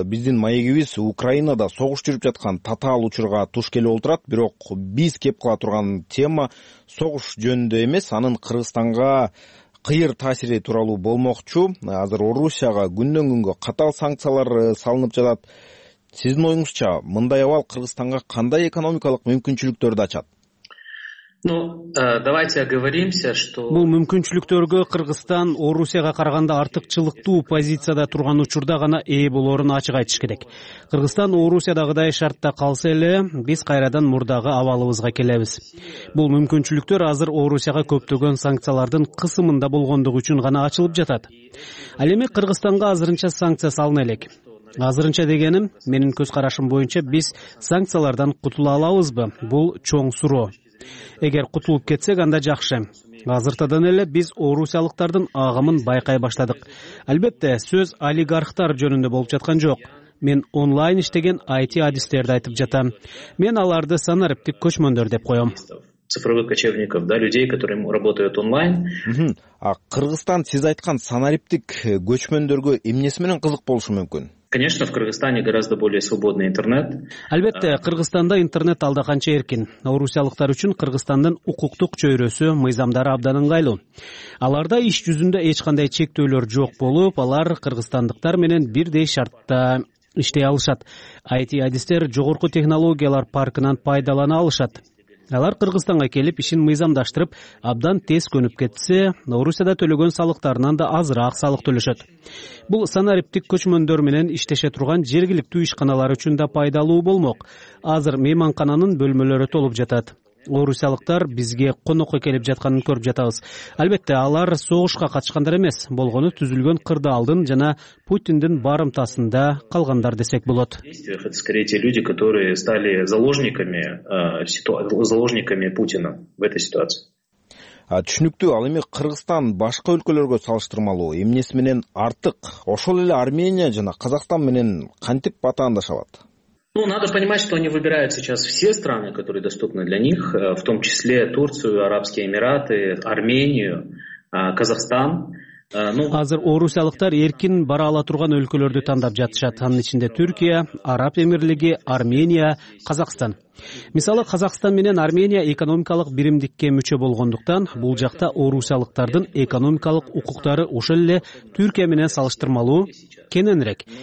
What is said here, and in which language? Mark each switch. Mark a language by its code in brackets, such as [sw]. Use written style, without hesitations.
[ky] Биздин маегибиз Украинада согуш жүрүп жаткан татаал учурга туш келип отурат, бирок биз кеп кыла турган тема согуш жөнүндө эмес, анын Кыргызстанга кыйыр таасири тууралуу болмокчу. Азыр Орусияга күндөн күнгө катаал санкциялар салынып жатат. Сиздин оюңузча мындай абал Кыргызстанга кандай экономикалык мүмкүнчүлүктөрдү ачат? [ru] Давайте оговоримся, что [ky] бул мүмкүнчүлүктөргө Кыргызстан Орусияга караганда артыкчылыктуу позицияда турган учурда гана ээ болорун ачык айтыш керек. Кыргызстан Орусиядагыдай шартта калса эле, биз кайрадан мурдагы абалыбызга келебиз. Бул мүмкүнчүлүктөр азыр Орусияга көптөгөн санкциялардын кысымында болгондугу үчүн гана ачылып жатат. Ал эми Кыргызстанга азырынча санкция салына элек. Азырынча дегеним, менин көз карашым боюнча биз санкциялардан кутула алабызбы? Бул чоң суроо. Эгер кутулуп кетсек анда жакшы. Азыртадан эле биз орусиялыктардын агымын байкай баштадык. Албетте, сөз олигархтар жөнүндө болуп жаткан жок. Мен онлайн иштеген IT адистерди айтып жатам. Мен аларды санариптик көчмөндөр деп коем. [ru] Цифровых кочевников, да, людей, которые работают онлайн. [ky] А Кыргызстан сиз айткан санариптик көчмөндөргө эмнеси менен кызык болушу мүмкүн? [ru] Конечно, в Кыргызстане гораздо более свободный интернет. [ky] Албетте, Кыргызстанда интернет алда канча эркин. Орусиялыктар үчүн Кыргызстандын укуктук чөйрөсү, мыйзамдары абдан ыңгайлуу. Аларда иш жүзүндө эч кандай чектөөлөр жок болуп, алар кыргызстандыктар менен бирдей шартта иштей алышат. IT адистер жогорку технологиялар паркынан пайдалана алышат. Алар Кыргызстанга келип, ишин мыйзамдаштырып, абдан тез көнүп кетсе, Орусияда төлөгөн салыктарынан да азыраак салык төлөшөт. Бул санариптик көчмөндөр менен иштеше турган жергиликтүү ишканалар үчүн да пайдалуу болмок. Азыр меймаркананын бөлмөлөрү толуп жатат. Орусиялыктар бизге конокко келип жатканын көрүп жатабыз. Албетте, алар согушка катышкандар эмес, болгону түзүлгөн кырдаалдын жана Путиндин барымтасында калгандар десек болот. [ru] Это скорее те люди, которые стали заложниками, заложниками Путина в этой ситуации. [ky] Түшүнүктүү, ал эми Кыргызстан башка өлкөлөргө салыштырмалуу эмнеси менен артык? Ошол эле Армения жана Казакстан менен кантип атаандашабат? [ru] Надо понимать, что они выбирают сейчас все страны, которые доступны для них, в том числе Турцию, Арабские Эмираты, Армению, Казахстан. [ky] Азыр орусиялыктар эркин бара ала турган өлкөлөрдү тандап жатышат. Анын ичинде Түркия, Араб Эмирлиги, Армения, Казакстан. Мисалы, Казакстан менен Армения экономикалык биримдикке мүчө болгондуктан, бул жакта орусиялыктардын экономикалык укуктары ошол эле Түркия менен салыштырмалуу кененирээк.